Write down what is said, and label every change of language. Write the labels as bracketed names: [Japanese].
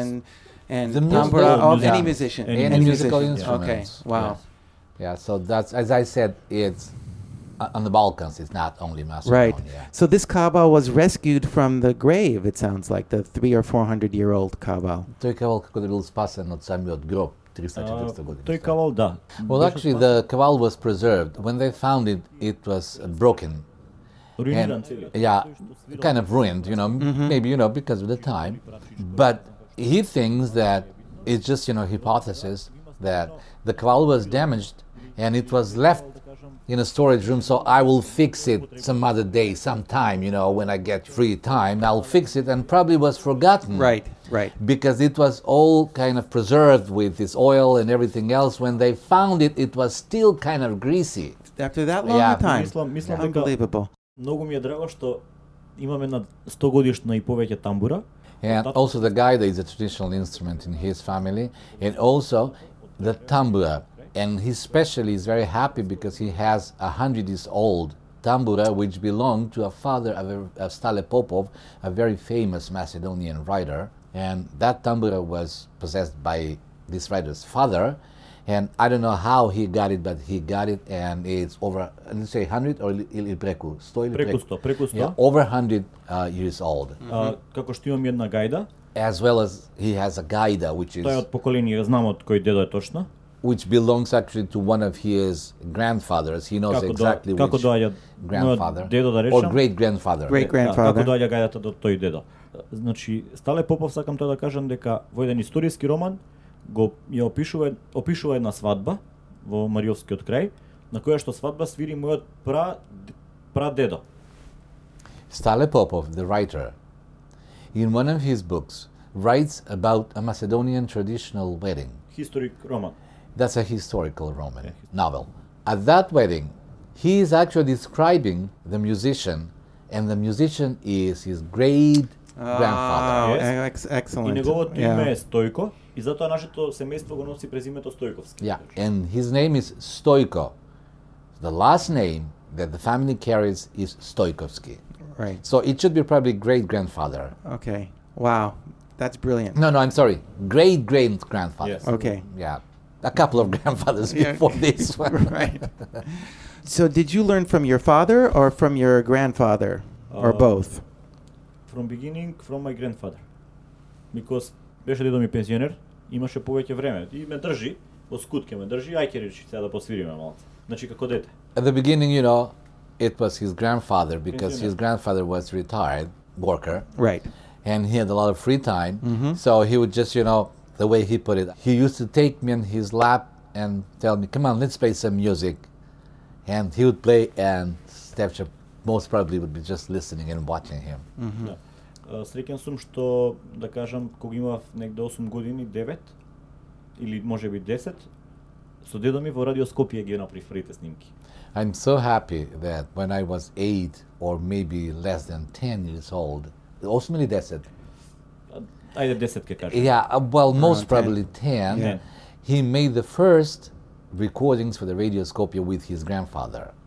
[English] and the tambura, any musician. Any musical instrument. Okay, wow. Yes. Yeah, so that's, as I said, it's on the Balkans, it's not only Macedonia. Right. So this Kabal was rescued from the grave, it sounds like, the 300 or 400-year-old Kabal. [Macedonian] Той Кабал, който бил спасен от самиот гроб, 300-400 години. Той Кабал, да. [English] Well, actually, the Kabal was preserved. When they found it, it was broken. And, yeah, kind of ruined, you know, maybe, you know, because of the time. But he thinks that it's just, you know, hypothesis that the Kabal was damaged and it was left in a storage room, so I will fix it some other day, sometime, you know, when I get free time, I'll fix it, and probably was forgotten. Right, right. Because it was all kind of preserved with this oil and everything else. When they found it, it was still kind of greasy. After that long of time. [Macedonian] Мислам, [English] unbelievable. [Macedonian] Много ми е драго што имаме над 100 годишна и повеќе тамбура. [English] And also the gaida is a traditional instrument in his family, and also the tambura. And he especially is very happy because he has a 100-year-old tambura which belonged to a father of Stale Popov, a very famous Macedonian writer. And that tambura was possessed by this writer's father. And I don't know how he got it, but he got it, and it's over, let's say 100 or [Macedonian] ili preku, 100 ili preku. Preku 100. [English] Yeah, over 100 years old. [Macedonian] Како што имам една гајда? [English] As well as he has a gaida, which is... [Macedonian] Тој од поколение, знам од кој дедо е точно. [English] Which belongs actually to one of his grandfathers. He knows exactly which grandfather. [Macedonian] Дедо да речам? [English] Or great-grandfather. Great-grandfather. [Macedonian] Како доаѓа гајдата до тој дедо? Значи, Стале Попов, сакам тоа да кажам, дека во еден историски роман го ја опишува една свадба во Мариовскиот крај, на која што свадба свири мојот прадедо. [English] Стале Попов, the writer, in one of his books, writes about a Macedonian traditional wedding. Historic roman. That's a historical roman novel. At that wedding, he is actually describing the musician, and the musician is his great-grandfather. Excellent. [Macedonian] И неговото име е Стојко. И затоа нашето семејство го носи презимето Стојковски. [English] Yeah, and his name is Stoiko. The last name that the family carries is Stoikovsky. Right. So it should be probably great-grandfather. Okay. Wow. That's brilliant. No, no, I'm sorry. Great-great-grandfather. Yes. Okay. Yeah. A couple of grandfathers before this one. Right. So did you learn from your father or from your grandfather? Or both? From beginning, from my grandfather. Because... [Macedonian] Беше дедо ми пензионер, имаше повеќе време и ме држи, од скутке ме држи, ај ке речи сега да посвириме малце. Значи како дете. [English] At the beginning, you know, it was his grandfather because his grandfather was a retired worker. Right. And he had a lot of free time. So he would just, you know, the way he put it, he used to take me in his lap and tell me, "Come on, let's play some music." And he would play and Stefcha most probably would be just listening and watching him. Mm-hmm. [Macedonian] Среќен сум што, да кажам, кога имав некде 8 години, 9 или може би 10, со дедо ми во радио Скопје ги направив првите снимки. [English] I'm so happy that when I was 8 or maybe less than 10 years old, [Macedonian] 8 или 10? Ајде 10 ке кажам. [English] Yeah, well, most probably 10. He made the first recordings for the radio Skopje with his grandfather.